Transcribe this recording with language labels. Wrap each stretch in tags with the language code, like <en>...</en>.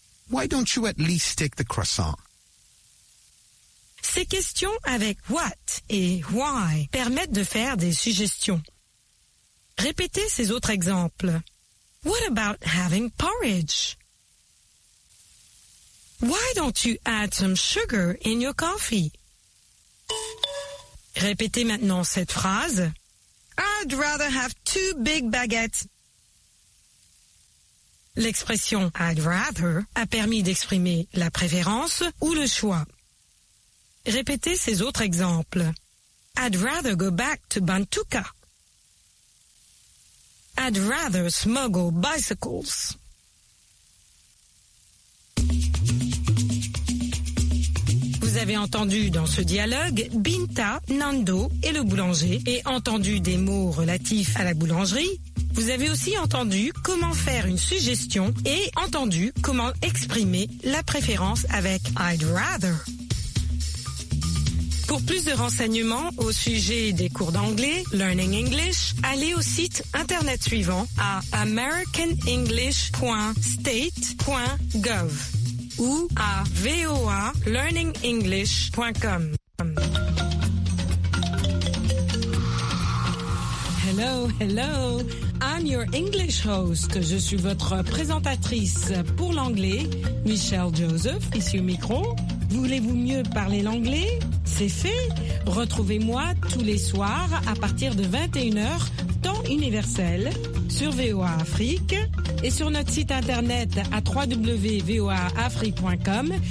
<en>Why don't you at least take the croissant?</en> <fr>Ces questions avec what et why permettent de faire des suggestions. Répétez ces autres exemples.</fr> <en>What about having porridge? Why don't you add some sugar in your coffee?</en> <fr>Répétez maintenant cette phrase.</fr> <en>I'd rather have two big baguettes.</en> <fr>L'expression I'd rather a permis d'exprimer la préférence ou le choix. Répétez ces autres exemples.</fr> <en>I'd rather go back to Bantuka. I'd rather smuggle bicycles.</en> <fr>Vous avez entendu dans ce dialogue Binta, Nando et le boulanger et entendu des mots relatifs à la boulangerie. Vous avez aussi entendu comment faire une suggestion et entendu comment exprimer la préférence avec I'd rather. Pour plus de renseignements au sujet des cours d'anglais, Learning English, allez au site internet suivant à americanenglish.state.gov ou à voalearningenglish.com.</fr> <en>Hello, hello, I'm your English host.</en> <fr>Je suis votre présentatrice pour l'anglais, Michelle Joseph, ici au micro. Voulez-vous mieux parler l'anglais? C'est fait. Retrouvez-moi tous les soirs à partir de 21h, temps universel, sur VOA Afrique et sur notre site internet à www.voaafrique.com.</fr>